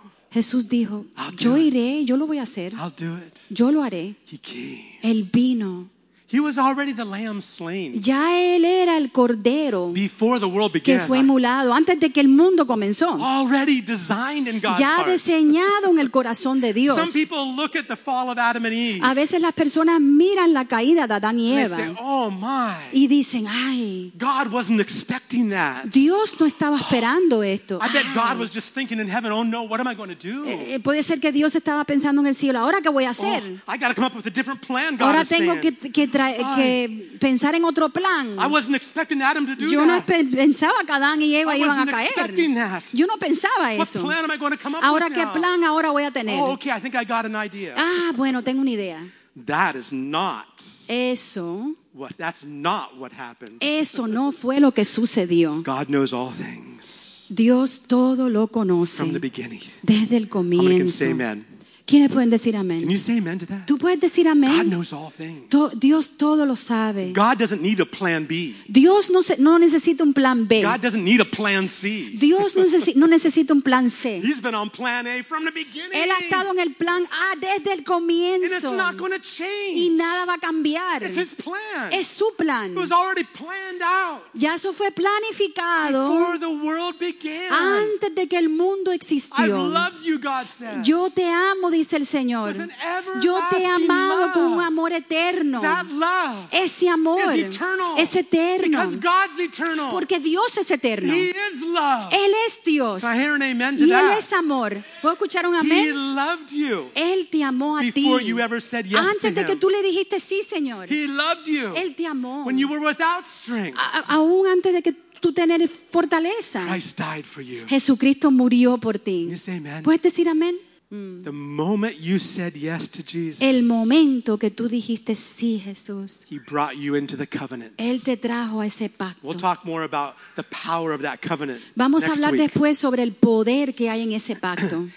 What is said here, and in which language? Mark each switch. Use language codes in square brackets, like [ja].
[es] Jesús dijo, yo iré, yo lo voy a hacer. Yo lo haré. Él vino. [en] He was already the lamb slain. [es] Ya él era el cordero. [en] Before the world began. [es] Que fue emulado antes de que el mundo comenzó. [en] Already designed in God's heart. [es] Ya diseñado en el corazón de Dios. [en] Some people look at the fall of Adam and Eve. [es] A veces las personas miran la caída de Adán y Eva. [en] They say, "Oh my." [es] Y dicen, "Ay." [en] God wasn't expecting that. [es] Dios no estaba esperando esto. [en] I bet God was just thinking in heaven, "Oh no, what am I going to do?" [es] Puede ser que Dios estaba pensando en el cielo, "¿Ahora qué voy a hacer?" [en] Oh, I got to come up with a different plan, God. [es] Ahora tengo que pensar en otro plan. [en] I wasn't expecting Adam to do [es] yo [en] that. [es] No pensaba que Adán y Eva iban a caer. Yo no pensaba eso. [en] What plan am I going to come up [es] ahora [en] with [es] qué [en] now? [es] Plan ahora voy a tener. [en] Oh, okay, I think I got an idea. [es] Ah, bueno, tengo una idea. [en] That is not [es] eso. [en] What, that's not what happened. [es] Eso no fue lo que sucedió. [en] God knows all things. [es] Dios todo lo conoce. [en] From the beginning. [es] Desde el comienzo. [en] Say amen. [es] ¿Quiénes pueden decir amén? [en] Can you say amen to that? [es] ¿Tú puedes decir amén? [en] God knows all things. [es] Dios todo lo sabe. [en] God doesn't need a plan B. [es] Dios no necesita un plan B. [en] God doesn't need a plan C. [es] Dios no necesita un plan C. [en] He's been on plan A from the beginning. [es] Él ha estado en el plan A desde el comienzo. [en] And it's not going to change. [es] Y nada va a cambiar. [en] It's his plan. [es] Es su plan. [en] It was already planned out. [es] Ya eso fue planificado. [en] Before the world began. [es] Antes de que el mundo existió. [en] I love you, God says. [es] Yo te amo, dice el Señor. Yo te he amado [en] love, [es] con un amor eterno. Ese amor es eterno. Porque Dios es eterno. Él es Dios. [en] Can I hear an amen to [es] y [en] that? [es] Él es amor. ¿Puedo escuchar un amén? Él te amó a ti. [en] Yes, [es] antes de que tú le dijiste sí, Señor. Él te amó. [en] When you were without strength. [es] Aún antes de que tú tener fortaleza. [en] Christ died for you. [es] Jesucristo murió por ti. [en] You say amen? [es] ¿Puedes decir amén? [en] The moment you said yes to Jesus, [es] el momento que tú dijiste sí, Jesús, [en] he brought you into the covenant. [es] Él te trajo a ese pacto. [en] We'll talk more about the power of that covenant. [es] Vamos [en] next [es] a hablar [en] week. [es] Después sobre el poder que hay en ese pacto.